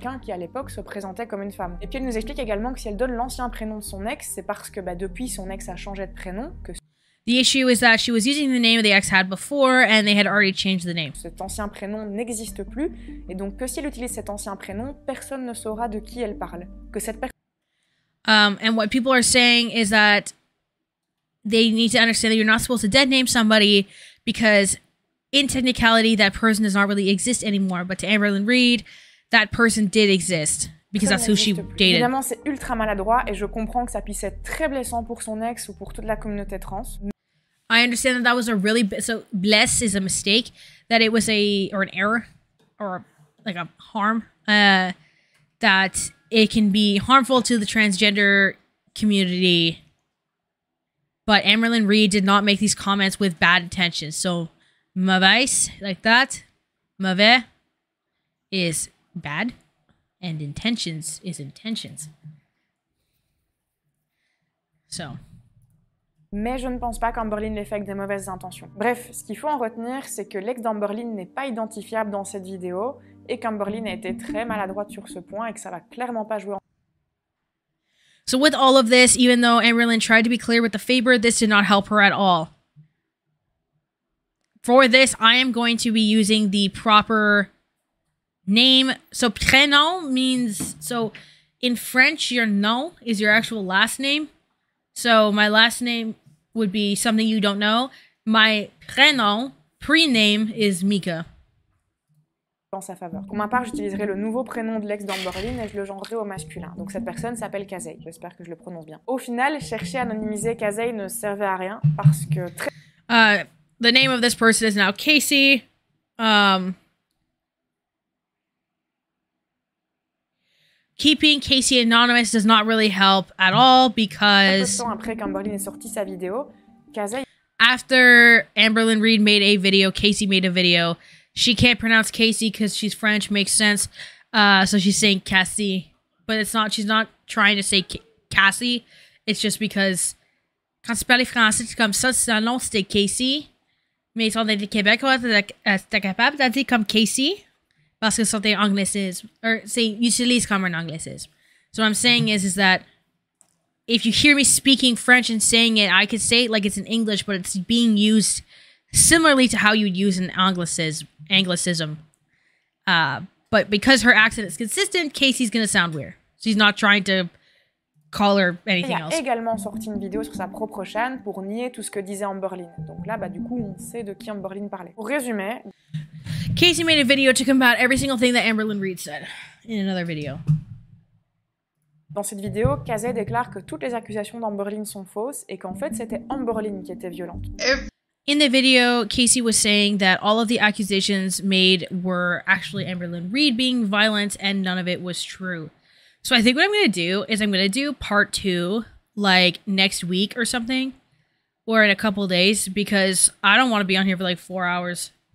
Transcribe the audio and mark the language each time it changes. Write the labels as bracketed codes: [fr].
[fr] Quelqu'un qui à l'époque se présentait comme une femme. Et puis elle nous explique également que si elle donne l'ancien prénom de son ex, c'est parce que bah depuis son ex a changé de prénom que. [en] The issue is that she was using the name the ex had before, and they had already changed the name. [fr] Cet ancien prénom n'existe plus, et donc que si elle utilise cet ancien prénom, personne ne saura de qui elle parle. Que cette personne. [en] And what people are saying is that they need to understand that you're not supposed to dead name somebody because. In technicality, that person does not really exist anymore. But to Amberlynn Reid, that person did exist because that's who she dated. [fr] Évidemment, c'est ultra maladroit, et je comprends que ça puisse être très blessant pour son ex ou pour toute la communauté trans. [en] I understand that was a really so bless is a mistake that it was a or an error or like a harm that it can be harmful to the transgender community. But Amberlynn Reid did not make these comments with bad intentions, so. Mauvais, like that, mauvais, is bad, and intentions is intentions. So. [fr] Mais je ne pense pas qu'Amberlynn l'ait fait avec des mauvaises intentions. Bref, ce qu'il faut en retenir, c'est que l'ex d'Amberlynn n'est pas identifiable dans cette vidéo, et qu'Amberlynn a été très maladroite sur ce point, et que ça va clairement pas jouer en... [en] So with all of this, even though Amberlynn tried to be clear with the Faber, this did not help her at all. For this, I am going to be using the proper name. So, prénom means... So, in French, your nom is your actual last name. So, my last name would be something you don't know. My prénom, prename, is Mika. [fr] Dans sa faveur. Pour ma part, j'utiliserai le nouveau prénom de l'ex d'Amberlynn et je le genrerai au masculin. Donc cette personne s'appelle Kazei. J'espère que je le prononce bien. Au final, chercher à anonymiser Kazei ne servait à rien parce que... très. [en] The name of this person is now Casey. Keeping Casey anonymous does not really help at all because... [fr] Après qu'Amberlynn est sorti sa vidéo, Kazei... [en] After Amberlynn Reid made a video, Casey made a video. She can't pronounce Casey because she's French, makes sense. So she's saying Cassie. But it's not, she's not trying to say Cassie. It's just because... [fr] Quand tu parles français, c'est comme ça, c'est un nom, c'était Casey. Mais ils sont des Québécois, c'était capable d'être dit comme Casey, parce que c'était anglicisme, or c'est utilisé comme un anglicisme. [en] So what I'm saying is that if you hear me speaking French and saying it, I could say it like it's in English, but it's being used similarly to how you would use an anglicism. But because her accent is consistent, Casey's gonna sound weird. She's not trying to call her anything [fr] else. Il a également sorti une vidéo sur sa propre chaîne pour nier tout ce que disait Amberlynn. Donc là, bah, du coup, on sait de qui Amberlynn parlait. Pour résumer... [en] Casey made a video to combat every single thing that Amberlynn Reid said in another video. [fr] Dans cette vidéo, Kazei déclare que toutes les accusations d'Amberlynn sont fausses et qu'en fait, c'était Amberlynn qui était violente. [en] In the video, Casey was saying that all of the accusations made were actually Amberlynn Reid being violent and none of it was true. So I think what I'm going to do is I'm going to do part two, like, next week or something, or in a couple days, because I don't want to be on here for, like, 4 hours.